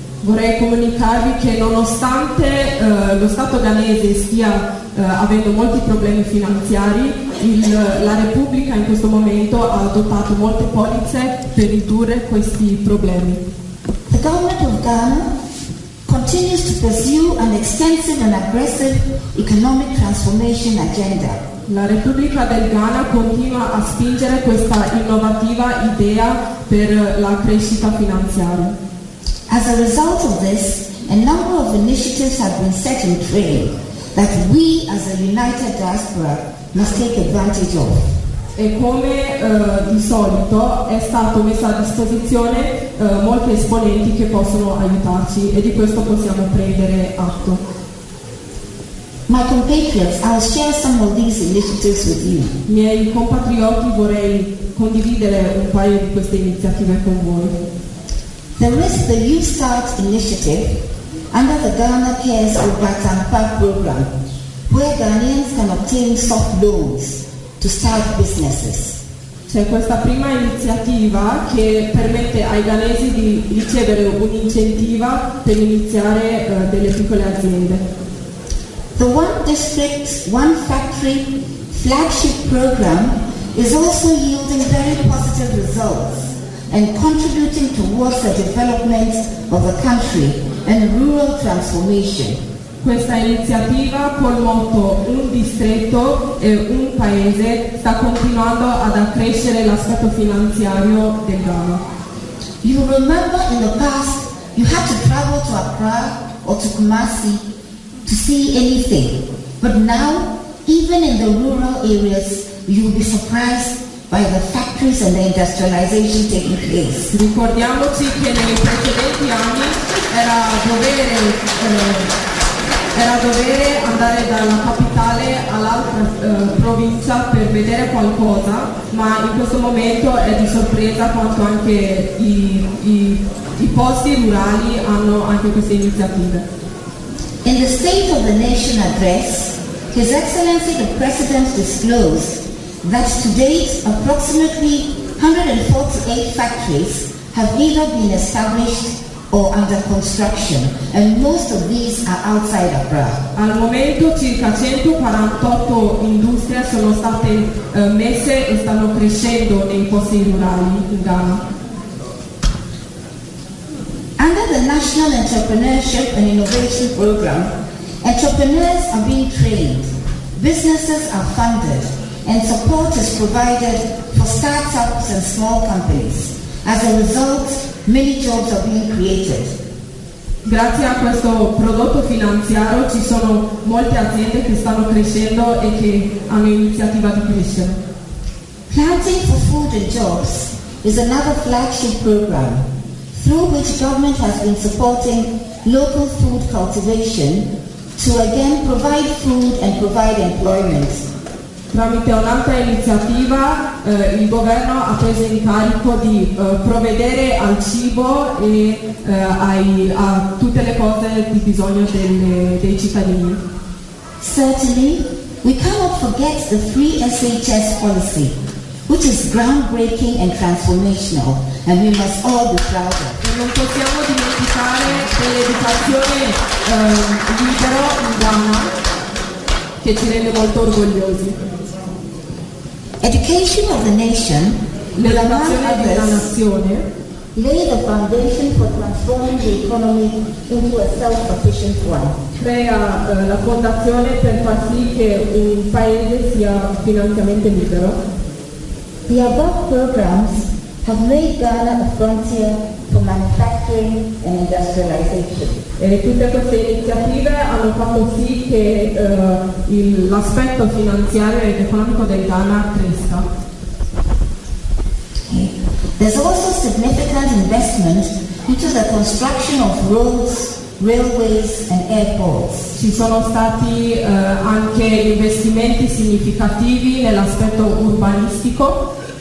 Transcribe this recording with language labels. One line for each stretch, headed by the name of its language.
Italian: Vorrei comunicarvi che nonostante lo Stato ghanese stia avendo molti problemi finanziari, la Repubblica in questo momento ha adottato molte polizze per ridurre questi problemi.
English: The government of Ghana continues to pursue an extensive and aggressive economic transformation agenda.
Italian: La Repubblica del Ghana continua a spingere questa innovativa idea per la crescita finanziaria.
English: As a result of this, a number of initiatives have been set in train that we as a united diaspora must take advantage of.
Italian: E come di solito è stato messo a disposizione molti esponenti che possono aiutarci e di questo possiamo prendere atto.
English: My compatriots, I'll share some of these initiatives with you.
Italian: Miei compatrioti, vorrei condividere un paio di queste iniziative con voi.
English: There is the Youth Start initiative under the Ghana Cares Obatampa program, where Ghanaians can obtain soft loans to start businesses.
Italian: C'è questa prima iniziativa che permette ai ghanesi di ricevere un'incentiva per iniziare delle piccole aziende.
English: The One District, One Factory flagship program is also yielding very positive results and contributing towards the development of the country and rural transformation.
Italian: Questa iniziativa col motto un distretto e un paese sta continuando ad accrescere l'aspetto finanziario del Ghana.
English: You remember in the past you had to travel to Accra or to Kumasi to see anything, but now even in the rural areas you will be surprised by the factories and the industrialization taking place.
Italian: Ricordiamoci che nei precedenti anni era dovere andare dalla capitale all'altra provincia per vedere qualcosa, ma in questo momento è di sorpresa quanto anche i posti rurali hanno anche queste iniziative.
English: In the State of the Nation address, His Excellency the President disclosed that to date approximately 148 factories have either been established or under construction, and most of these are outside Accra.
Italian: Al momento circa 148 industrie sono state messe e stanno crescendo nei posti rurali in Ghana.
English: Under the National Entrepreneurship and Innovation Program, entrepreneurs are being trained, businesses are funded, and support is provided for startups and small companies. As a result, many jobs are being created.
Italian: Grazie a questo prodotto finanziario ci sono molte aziende che stanno crescendo e che hanno iniziativa di crescere.
English: Planting for Food and Jobs is another flagship program through which government has been supporting local food cultivation to again provide food and provide employment.
Italian: Tramite un'altra iniziativa, il governo ha preso in carico di provvedere al cibo e a tutte le cose di bisogno dei cittadini.
English: Certainly, we cannot forget the free SHS policy, which is groundbreaking and transformational, and we must all be proud of.
Italian: E non possiamo dimenticare dell'educazione libero in Ghana, che ci rende molto orgogliosi.
English: Education of the nation,
Italian: l'educazione della nazione,
English: lay the foundation for transforming the economy into a self-sufficient one.
Italian: Crea la fondazione per far sì che un paese sia finanziamente libero.
English: The above programs have made Ghana a frontier for manufacturing and industrialization.
Italian: E tutte queste iniziative hanno fatto sì che l'aspetto finanziario ed economico del Ghana cresca.
English: There's also significant investment into the construction of roads, railways and airports.
Italian: Ci sono stati anche investimenti significativi nell'aspetto urbanistico.